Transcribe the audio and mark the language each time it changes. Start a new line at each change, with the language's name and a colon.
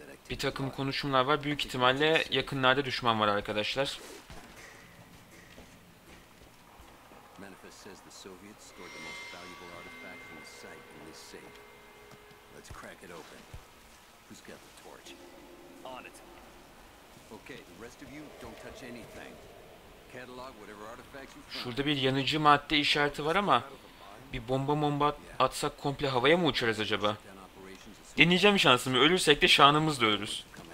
Turkish: Bir takım konuşmalar var. Büyük ihtimalle yakınlarda düşman var arkadaşlar.
English: Manifest says the Soviets stored the most valuable artifact from the site in this safe. Let's crack it open. Who's got the torch? On it. Okay, the rest of you don't touch anything. Catalog whatever artifacts you find.
Turkish: Şurada bir yanıcı madde işareti var ama bir bomba bomba atsak komple havaya mı uçarız acaba? Deneyeceğim şansımı. Ölürsek de şanımız da ölürüz.